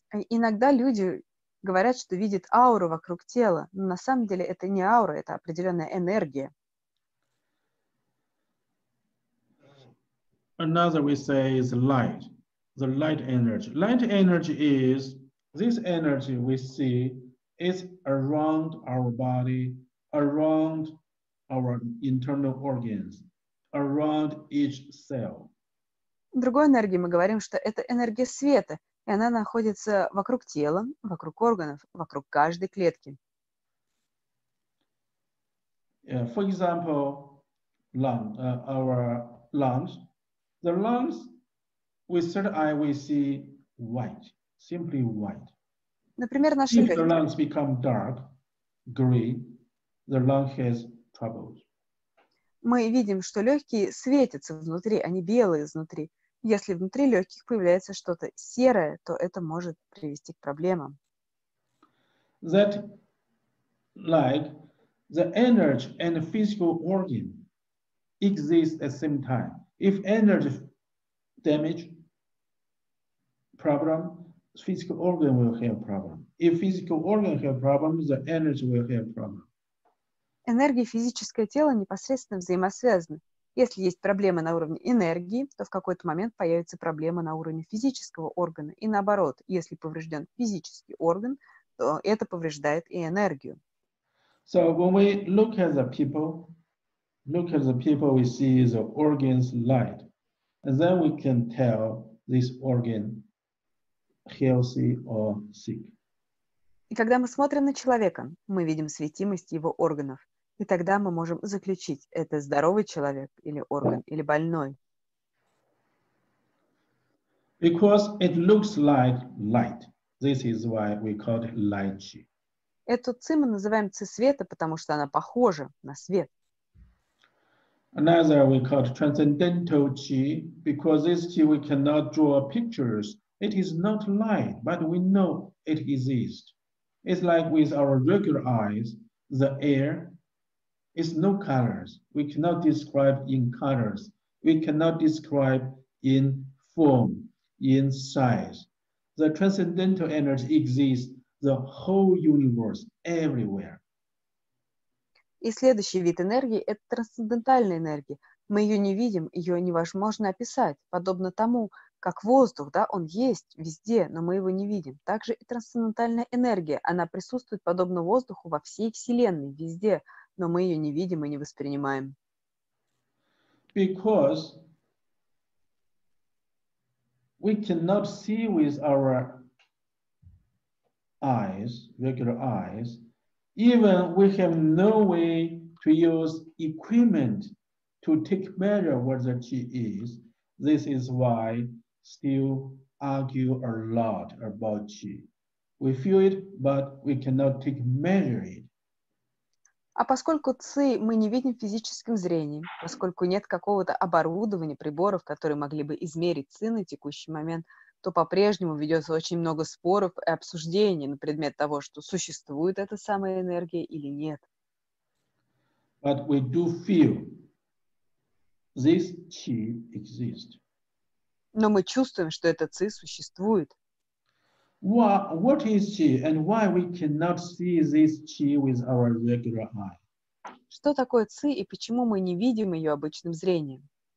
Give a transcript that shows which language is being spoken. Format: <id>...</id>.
<ru>Иногда люди говорят, что видят ауру вокруг тела, но на самом деле это не аура, это определенная энергия.</ru> <en>Another we say is light, the light energy. Light energy is this energy we see is around our body, around our internal organs. Around each cell.</en> <ru>Другой энергией мы говорим, что это энергия света, и она находится вокруг тела, вокруг органов, вокруг каждой клетки.</ru> <en>Yeah, for example, our lungs. The lungs, with third eye, we see white, simply white.</en> <ru>Например, наши легкие.</ru> <en>If the lungs become dark, gray, the lung has troubles.</en> <ru>Мы видим, что легкие светятся внутри, они белые изнутри. Если внутри легких появляется что-то серое, то это может привести к проблемам.</ru> <en>That like the energy and physical organ exist at the same time. If energy damage problem, physical organ will have problem. If physical organ have problem, the energy will have problem.</en> <ru>Энергия и физическое тело непосредственно взаимосвязаны. Если есть проблемы на уровне энергии, то в какой-то момент появится проблема на уровне физического органа. И наоборот, если поврежден физический орган, то это повреждает и энергию.</ru> <en>So when we look at the people, we see the organs light. And then we can tell this organ healthy or sick.</en> <ru>И когда мы смотрим на человека, мы видим светимость его органов. И тогда мы можем заключить, это здоровый человек или орган, или больной.</ru> <en>Because it looks like light. This is why we call it light chi.</en> <ru>Эту ци мы называем ци света, потому что она похожа на свет.</ru> <en>Another we call it transcendental chi, because this chi we cannot draw pictures. It is not light, but we know it exists. It's like with our regular eyes, the air. It's no colors. We cannot describe in colors. We cannot describe in form, in size. The transcendental energy exists the whole universe, everywhere.</en> <ru>И следующий вид энергии – это трансцендентальная энергия. Мы ее не видим, ее невозможно описать. Подобно тому, как воздух, да, он есть везде, но мы его не видим. Также и трансцендентальная энергия, она присутствует подобно воздуху во всей Вселенной, везде, но мы ее не видим и не воспринимаем.</ru> <en>Because we cannot see with our eyes, regular eyes, even we have no way to use equipment to take measure where the chi is. This is why still argue a lot about chi. We feel it, but we cannot take measure it.</en> <ru>А поскольку ци мы не видим физическим зрением, поскольку нет какого-то оборудования, приборов, которые могли бы измерить ци на текущий момент, то по-прежнему ведется очень много споров и обсуждений на предмет того, что существует эта самая энергия или нет.</ru> <en>But we do feel this chi exists.</en> <ru>Но мы чувствуем, что эта ци существует.</ru> <en>What is chi and why we cannot see this chi with our regular eye?</en> <ru>Что такое ци и почему мы не видим ее обычным зрением?</ru>